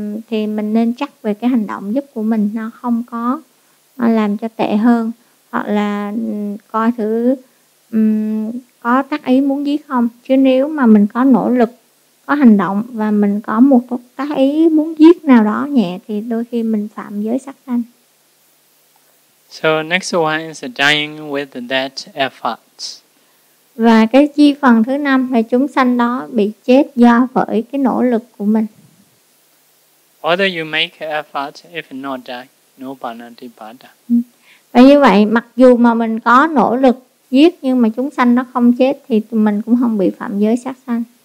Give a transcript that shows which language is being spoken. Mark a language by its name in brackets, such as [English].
[Vietnamese] thì mình nên chắc về cái hành động giúp của mình nó không có làm cho tệ hơn, hoặc là coi thử có tác ý muốn giết không. Chứ nếu mà mình có nỗ lực có hành động và mình có một cái ý muốn giết nào đó nhẹ thì đôi khi mình phạm giới sát sanh. [English] So next one is dying with that effort. [Vietnamese] Và cái chi phần thứ năm là chúng sanh đó bị chết do với cái nỗ lực của mình. [English] Whether you make effort, if not die, no panatipata. [Vietnamese] Và như vậy, mặc dù mà mình có nỗ lực giết nhưng mà chúng sanh nó không chết thì mình cũng không bị phạm giới sát sanh.